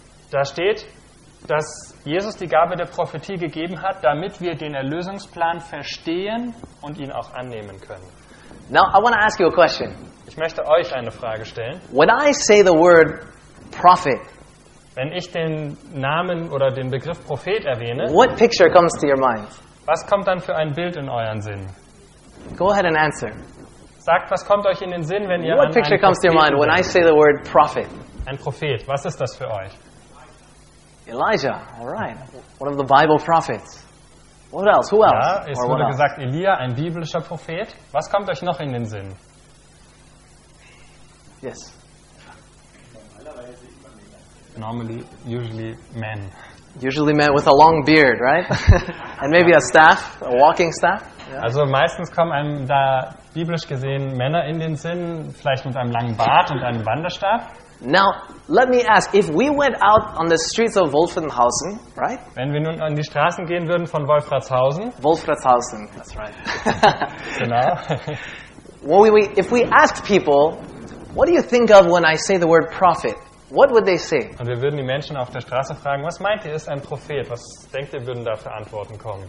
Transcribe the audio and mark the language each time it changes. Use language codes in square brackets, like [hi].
[de] Da steht, dass Jesus die Gabe der Prophetie gegeben hat, damit wir den Erlösungsplan verstehen und ihn auch annehmen können. [en] Now I want to ask you a question. [de] Ich möchte euch eine Frage stellen. [en] When I say the word prophet. [de] Wenn ich den Namen oder den Begriff Prophet erwähne, [en] what picture comes to your mind? [de] Was kommt dann für ein Bild in euren Sinn? [en] Go ahead and answer. [de] Sagt, was kommt euch in den Sinn, wenn ihr [en] what picture comes to your mind when I say the word prophet? [de] Ein Prophet, was ist das für euch? [en] Elijah, all right. One of the Bible prophets. What else? Who else? [de] Ja, es Or wurde gesagt, Elia, ein biblischer Prophet. Was kommt euch noch in den Sinn? [en] Yes. Normally, usually men. Usually men with a long beard, right? And maybe a staff, a walking staff. Yeah. [de] Also meistens kommen einem da biblisch gesehen Männer in den Sinn, vielleicht mit einem langen Bart und einem Wanderstab. [en] Now, let me ask, if we went out on the streets of Wolfratshausen, right? [de] Wenn wir nun an die Straßen gehen würden von Wolfratshausen. [en] Wolfratshausen, that's right. [de] Genau. [en] When we, if we asked people, what do you think of when I say the word prophet? What would they say? [de] Und wir würden die Menschen auf der Straße fragen, was meint ihr, ist ein Prophet? Was denkt ihr, würden da für Antworten kommen?